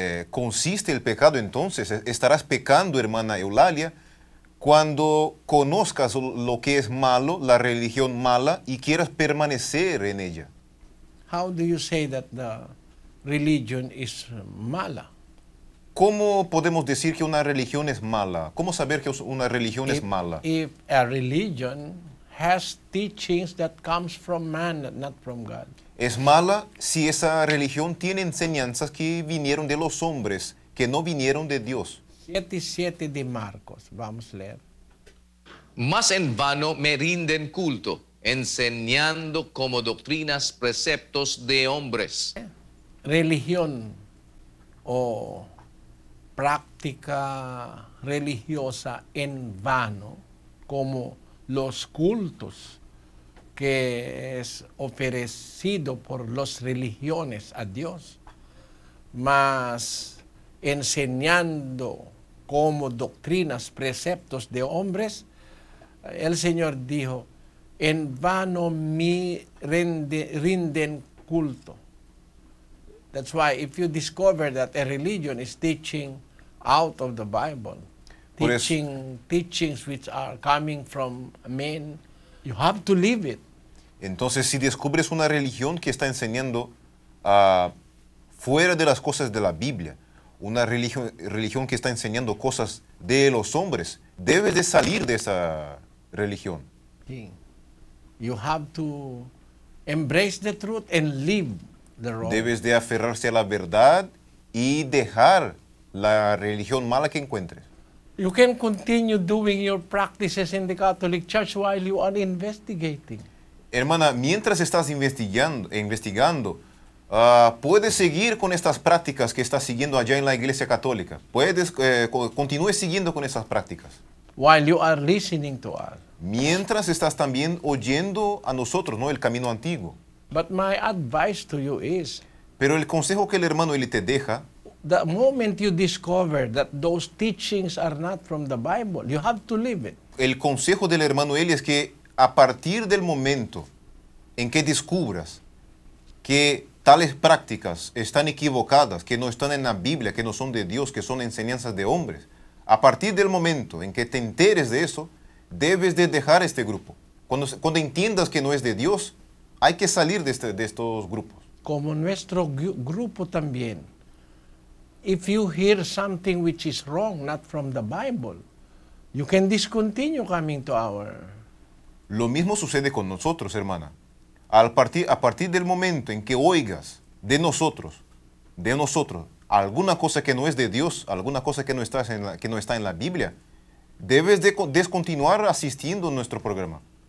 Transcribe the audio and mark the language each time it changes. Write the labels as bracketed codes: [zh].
[es] Consiste el pecado entonces, estarás pecando, hermana Eulalia, cuando conozcas lo que es malo, la religión mala, y quieras permanecer en ella. [en] How do you say that the religion is mala? [es] ¿Cómo podemos decir que una religión es mala? ¿Cómo saber que una religión es mala? [en] If a religion has teachings that comes from man, not from God. [es] Es mala si esa religión tiene enseñanzas que vinieron de los hombres, que no vinieron de Dios. 7:7 de Marcos, vamos a leer. Más en vano me rinden culto, enseñando como doctrinas preceptos de hombres. Religión o práctica religiosa en vano, como los cultos que es ofrecido por las religiones a Dios, más enseñando como doctrinas, preceptos de hombres, el Señor dijo, en vano me rinden culto. [en] That's why if you discover that a religion is teaching out of the Bible, teachings which are coming from men, you have to leave it. [es] Entonces, si descubres una religión que está enseñando fuera de las cosas de la Biblia, una religión que está enseñando cosas de los hombres, debes de salir de esa religión. Sí. [en] You have to embrace the truth and leave the wrong. [es] Debes de aferrarse a la verdad y dejar la religión mala que encuentres. [en] You can continue doing your practices in the Catholic Church while you are investigating. [es] Hermana, mientras estás investigando, puedes seguir con estas prácticas que estás siguiendo allá en la Iglesia Católica. Puedes continúe siguiendo con esas prácticas. [en] While you are listening to us. [es] Mientras estás también oyendo a nosotros, ¿no? El camino antiguo. [en] But my advice to you is. [es] Pero el consejo que el hermano él te deja. [en] The moment you discover that those teachings are not from the Bible, you have to leave it. [es] El consejo del hermano Eli es que a partir del momento en que descubras que tales prácticas están equivocadas, que no están en la Biblia, que no son de Dios, que son enseñanzas de hombres, a partir del momento en que te enteres de eso, debes de dejar este grupo. Cuando entiendas que no es de Dios, hay que salir de estos grupos. Como nuestro grupo también. [en] If you hear something which is wrong, not from the Bible, you can discontinue coming to our. [es] Lo mismo sucede con nosotros, hermana. A partir del momento en que oigas de nosotros, alguna cosa que no es de Dios, alguna cosa que no está en la Biblia, debes de descontinuar asistiendo a nuestro programa.